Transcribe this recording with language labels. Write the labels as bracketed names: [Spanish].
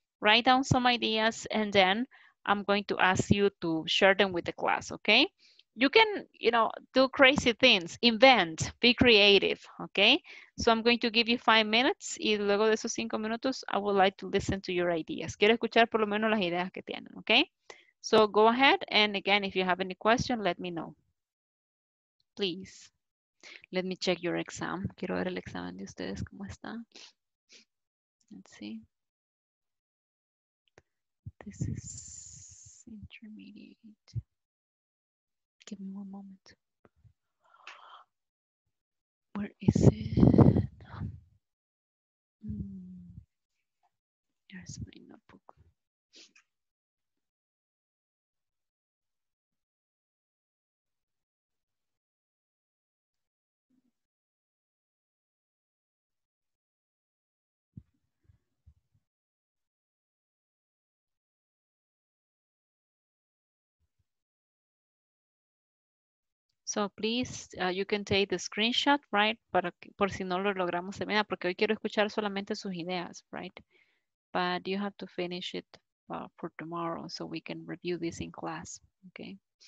[English] Write down some ideas, and then I'm going to ask you to share them with the class, okay? You can, you know, do crazy things, invent, be creative, okay? So I'm going to give you 5 minutes, [Spanish] y luego de esos 5 minutos, [English] I would like to listen to your ideas. [Spanish] Quiero escuchar por lo menos las ideas que tienen, okay? [English] So go ahead, and again, if you have any question, let me know. Please, let me check your exam. [Spanish] Quiero ver el examen de ustedes, ¿cómo está? [English] Let's see. This is intermediate. Give me one moment. Where is it? Here's my notebook. So please, you can take the screenshot, right? [Spanish] Para que, por si no lo logramos terminar, porque hoy quiero escuchar solamente sus ideas, right? [English] But you have to finish it for tomorrow so we can review this in class, okay?